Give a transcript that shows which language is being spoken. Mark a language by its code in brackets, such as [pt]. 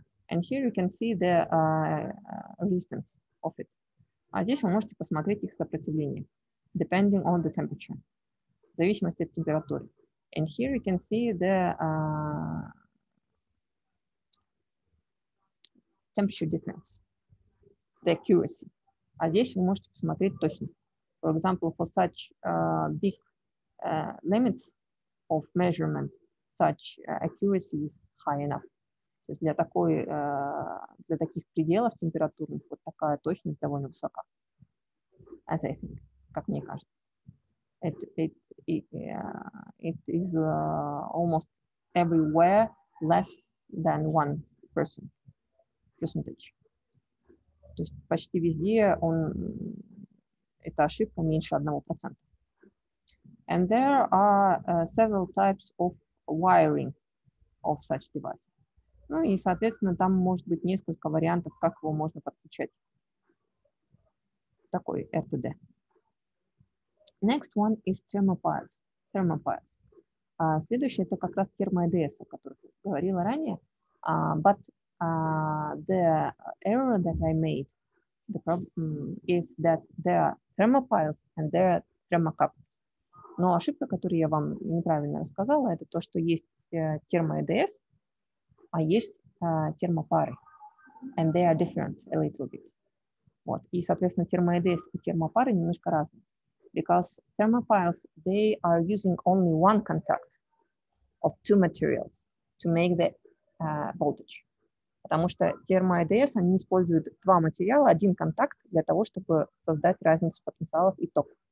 [en] And here you can see the resistance of it. [ru] А здесь вы можете посмотреть их сопротивление, [en] depending on the temperature, [ru] в зависимости от температуры. [en] And here you can see the temperature difference, the accuracy. [ru] А здесь вы можете посмотреть точность. [en] For example, for such big limits of measurement, such accuracy is high enough. [ru] То есть для такой, для таких пределов температурных вот такая точность довольно высока. [en] As I think, [ru] как мне кажется. [en] It is almost everywhere less than one percentage. [ru] То есть почти везде он, эта ошибка меньше 1%. [en] And there are several types of wiring of such devices. [ru] Ну и, соответственно, там может быть несколько вариантов, как его можно подключать. Такой [en] RTD. Next one is thermopiles. Thermopiles. [ru] Следующее это как раз термо-ЭДС, о котором я говорила ранее. [en] But the error that I made the problem is that there are thermopiles and there are thermocouples. [ru] Но ошибка, которую я вам неправильно рассказала, это то, что есть термо-ЭДС, а есть термопары, [en] and they are different a little bit. [ru] Вот. И, соответственно, термо-ЭДС и термопары немножко разные. [en] Because thermopiles, they are using only one contact of two materials to make the voltage. [ru] Потому что термо-ЭДС, они используют два материала, один контакт для того, чтобы создать разницу потенциалов и ток.